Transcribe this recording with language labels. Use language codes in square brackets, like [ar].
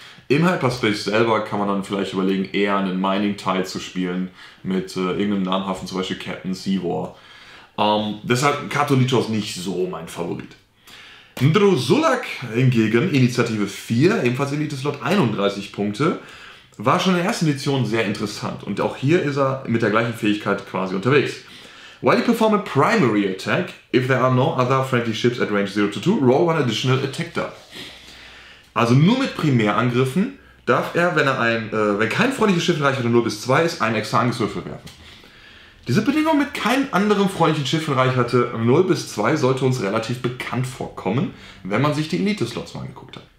[de] Im Hyperspace selber kann man dann vielleicht überlegen, eher einen Mining-Teil zu spielen mit irgendeinem Namhaften, zum Beispiel Captain Seawar. Deshalb Kato Lichos nicht so mein Favorit. Ndrusulak hingegen, Initiative 4, ebenfalls Elite-Slot, 31 Punkte, war schon in der ersten Edition sehr interessant. Und auch hier ist er mit der gleichen Fähigkeit quasi unterwegs. [en] While you perform a primary attack, if there are no other friendly ships at range 0 to 2, roll one additional attack die. [de] Also nur mit Primärangriffen darf er, wenn kein freundliches Schiff in Reichweite 0 bis 2 ist, einen extra Angriffswürfel werfen. Diese Bedingung mit keinem anderen freundlichen Schiff in Reichweite 0 bis 2 sollte uns relativ bekannt vorkommen, wenn man sich die Elite-Slots mal angeguckt hat.